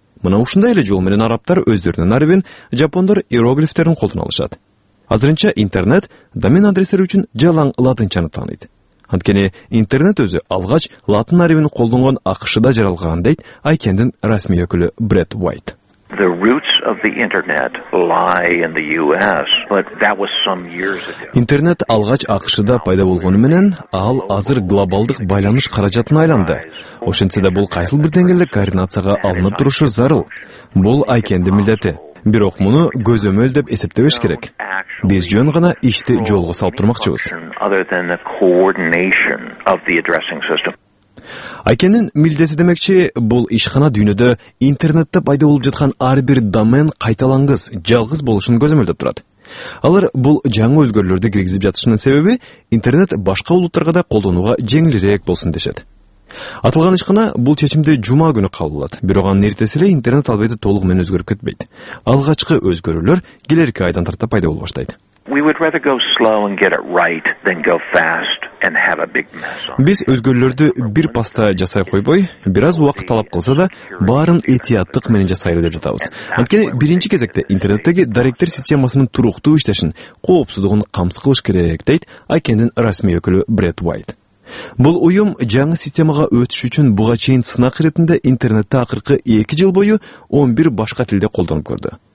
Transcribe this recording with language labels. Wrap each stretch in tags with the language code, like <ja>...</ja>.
<ky>Мына ушундай эле жол менен арабтар өздөрүнүн арабин, жапондор иероглифтерин колдонушат. Азырынча интернет домен адрестер үчүн жалаң латынчаны тааныйт. Анткени интернет өзү алгач латын арабин колдонгон АКШда жаралган, дейт ICANN'дин расмий өкүлү Брэд Уайт.</ky> <en>The roots of the internet lie in the US, but that was some years ago.</en> <ky>Интернет алгач АКШда пайда болгону менен ал азыр глобалдык байланыш каражатына айланды. Ошентсе да бул кайсыл бир деңгээлде координацияга алынып турушу зарыл. Бул ICANN'дин милдети. Бирок муну көзөмөл деп эсептебеш керек. Биз жөн гана ишти жолго салып турмакчыбыз. ICANN'ин милдети демекчи, бул ишкана дүйнөдө интернетте пайда болуп жаткан ар бир домен кайталангыз, жалгыз болушун көзөмөлдөп турат. Алар бул жаңы өзгөрүүлөрдү киргизип жатышынын себеби интернет башка улуттарга да колдонууга жеңилирээк болсун дешет. Аталган ишкана бул чечимди жума күнү кабылдады, бирок анын эртеси эле интернет албетте толугу менен өзгөрүп кетпейт. Алгачкы өзгөрүүлөр келерки айдан тарта пайда боло баштайт.</ky> <en>We would rather go slow and get it right than go fast and have a big mess.</en> <ky>Биз өзгөрүүлөрдү бир паста жасай койбой, бир аз убакыт талап кылса да, баарын этияттык менен жасайлы деп жатабыз. Анткени биринчи кезекте интернеттеги даректер системасынын туруктуу иштешин, коопсуздугун камсыз кылыш керек, дейт ICANN'дин расмий өкүлү Брэд Уайт. Бул уюм жаңы системага өтүш үчүн буга чейин сынак иретинде интернетти акыркы 2 жыл бою 11 башка тилде колдонуп көрдү.</ky>